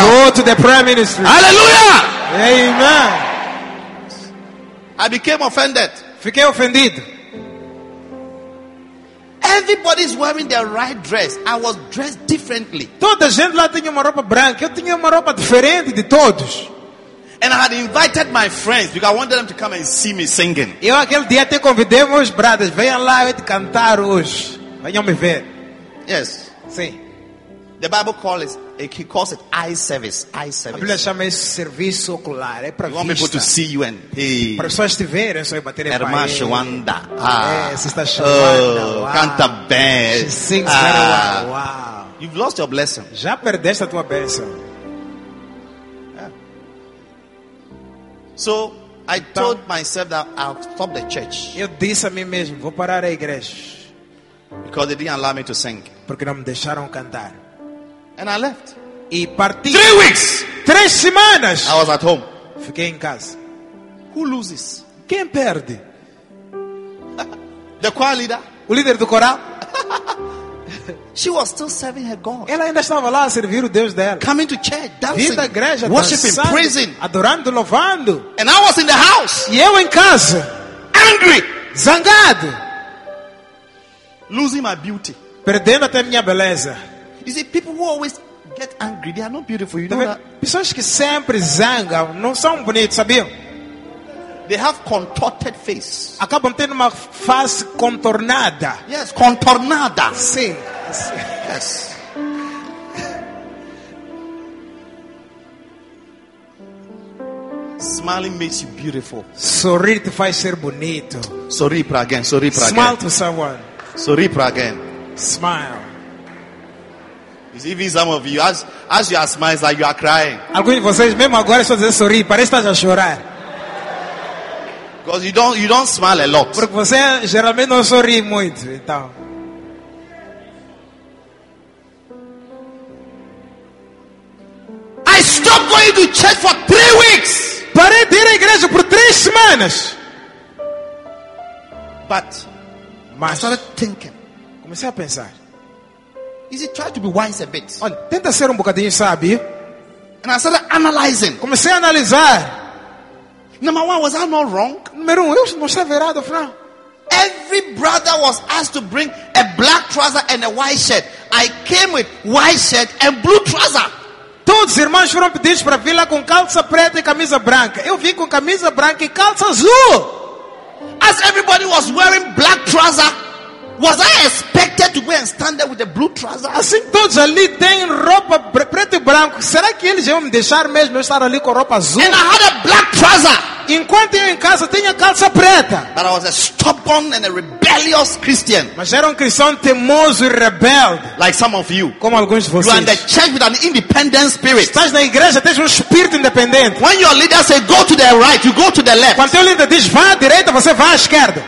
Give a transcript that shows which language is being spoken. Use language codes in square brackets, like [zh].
[en] Go to the prayer ministry. [pt] Aleluia! [en] Amen. I became offended. [pt] Fiquei ofendido. [en] Everybody's wearing their right dress. I was dressed differently. [pt] Toda a gente lá tinha uma roupa branca. Eu tinha uma roupa diferente de todos. [en] And I had invited my friends because I wanted them to come and see me singing. [pt] Eu aquele dia te convidei meus brothers. Venham lá e cantar hoje. Venham me ver. [en] Yes. [pt] Sim. [en] The Bible calls it eye service. Eye service. [pt] A Bíblia chama isso serviço ocular. É para vista. [en] Want people to see you and hey. [pt] Para pessoas te verem, só bater a irmã Shwanda. Ah. É, está Shwanda. Oh, wow. Canta bem. [en] She sings very well. Wow. You've lost your blessing. [pt] Já perdeste a tua bênção. [en] So I told myself that I'll stop the church. [pt] Eu disse a mim mesmo, vou parar a igreja. [en] Because they didn't allow me to sing. [pt] Porque não me deixaram cantar. [en] And I left. [pt] E parti. [en] 3 weeks. [pt] 3 semanas. [en] I was at home. [pt] Fiquei em casa. [en] Who loses? [pt] Quem perde? [en] The choir leader. [pt] O líder do coral. [en] She was still serving her God. [pt] Ela ainda estava lá a servir o Deus dela. [en] Coming to church, dancing. [pt] Vindo à igreja, [en] worshiping, [pt] dançando, [en] praising, [pt] adorando, louvando. [en] And I was in the house. [pt] E eu em casa. [en] Angry. [pt] Zangado. [en] Losing my beauty. [pt] Perdendo até minha beleza. [en] You see, people who always get angry, they are not beautiful. You know that? [pt] Pessoas que sempre zangam não são bonitas, sabiam? [en] They have contorted face. [pt] Acabam tendo uma face contornada. [en] Yes, contornada. [pt] Sim. [en] Yes. Smiling makes you beautiful. [pt] Sorrir te faz ser bonito. Sorri para alguém. Sorri para alguém. [en] Smile to someone. [pt] Sorri para alguém. [en] Smile. It's even some of you, as you are smiling, like you are crying. [pt] Alguns de vocês mesmo agora estão dizendo sorrir, parece que estão a chorar. [en] Because you don't smile a lot. [pt] Porque você geralmente não sorri muito, então. [en] I stopped going to church for 3 weeks. [pt] Parei de ir à igreja por 3 semanas. [en] But I started thinking. [pt] Comecei a pensar. [en] Is it try to be wise a bit? [pt] Olha, tenta ser bocadinho sábio. [en] And I started analyzing. [pt] Comecei a analisar. [en] Number one, was I not wrong? [pt] Número um, eu não estava errado, Fran. [en] Every brother was asked to bring a black trouser and a white shirt. I came with white shirt and blue trouser. [pt] Todos os irmãos foram pedidos para vir lá com calça preta e camisa branca. Eu vim com camisa branca e calça azul. [en] As everybody was wearing black trouser, was I expected to go and stand there with a blue trouser? [pt] Assim todos ali têm roupa preta e branca. Será que eles iam me deixar mesmo eu estar ali com roupa azul? [en] And I had a black trouser. [pt] Enquanto eu em casa tinha calça preta. [en] But I was a stubborn and a rebellious Christian. [pt] Mas era cristão teimoso e rebelde. [en] Like some of you. [pt] Como alguns de vocês. [en] You are in the church with an independent spirit. [pt] Estás na igreja, tens espírito independente. [en] When your leader says go to the right, you go to the left. [pt] Quando teu líder diz vá à direita, você vai à esquerda.